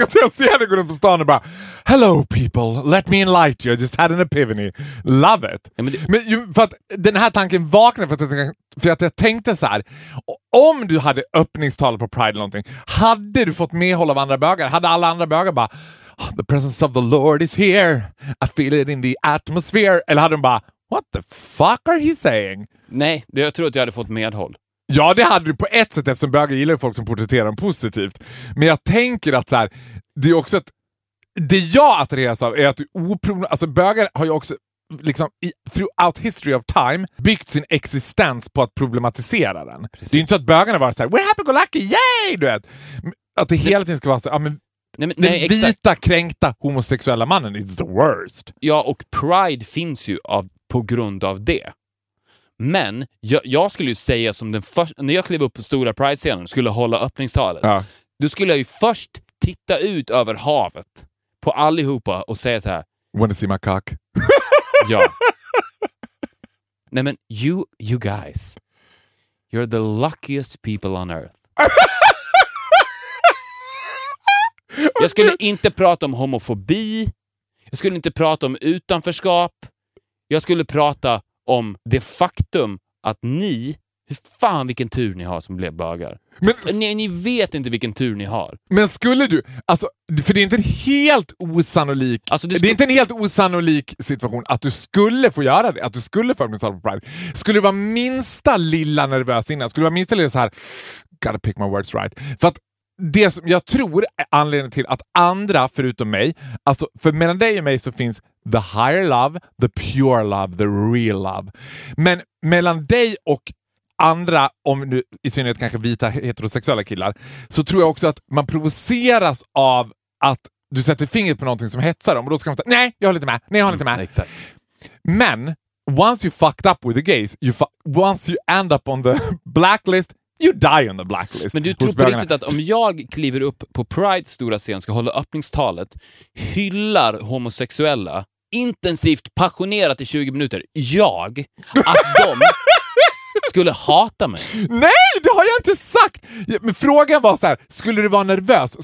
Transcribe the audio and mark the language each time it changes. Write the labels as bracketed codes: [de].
[sv] Alltså jag ser dig gå runt på stan och bara, [en] hello people, let me enlighten you. I just had an epiphany. Love it. [sv] Ja, men för att den här tanken vaknade, för att jag tänkte så här. Om du hade öppningstal på Pride eller någonting, hade du fått medhåll av andra bögar? Hade alla andra bögar bara, [en] the presence of the Lord is here. I feel it in the atmosphere. [sv] Eller hade de bara, [en] what the fuck are he saying? [sv] Nej, det, jag tror att jag hade fått medhåll. Ja, det hade du på ett sätt, eftersom bögar gillar folk som porträtterar dem positivt. Men jag tänker att så här, det är också att det jag attraheras av är att du alltså bögar har ju också liksom [en] throughout history of time [sv] byggt sin existens på att problematisera den. Precis. Det är inte så att bögarna var så här, [en] we're happy go lucky, yay! [sv] Du vet. Att det hela tiden ska vara så här, ja, men Nej, den vita, kränkta, homosexuella mannen, [en] it's the worst. [sv] Ja, och Pride finns ju på grund av det. Men jag skulle ju säga, som den första, när jag klev upp på stora Pride-scenen, skulle hålla öppningstalet. Ja. Då skulle jag ju först titta ut över havet på allihopa och säga så här, [en] wanna see my cock? [sv] Ja. Nej, men [en] you guys, You're the luckiest people on earth. [sv] Jag skulle inte prata om homofobi. Jag skulle inte prata om utanförskap. Jag skulle prata om det faktum att ni, hur fan vilken tur ni har som blev bögar. Men, ni vet inte vilken tur ni har. Men skulle du, alltså, för det är inte en helt osannolik, alltså det är inte en helt osannolik situation att du skulle få göra det, att du skulle få öppna tal på Pride. Skulle du vara minsta lilla nervös innan, skulle du vara minsta lilla så här, [en] gotta pick my words right. [sv] För att det som jag tror är anledningen till att andra förutom mig, alltså för mellan dig och mig så finns [en] the higher love, the pure love, the real love. [sv] Men mellan dig och andra, om nu i synnerhet kanske vita heterosexuella killar, så tror jag också att man provoceras av att du sätter fingret på någonting som hetsar dem. Och då ska man säga, nej, jag håller inte med. Nej, jag håller inte med. Mm, exakt. [en] Men, once you fucked up with the gays, once you end up on the blacklist, you die on the blacklist. [sv] Men du tror på riktigt att om jag kliver upp på Pride stora scen, ska hålla öppningstalet, hyllar homosexuella intensivt, passionerat i 20 minuter, jag, att de... skulle hata mig. Nej, det har jag inte sagt. Men frågan var så här, skulle du vara nervös?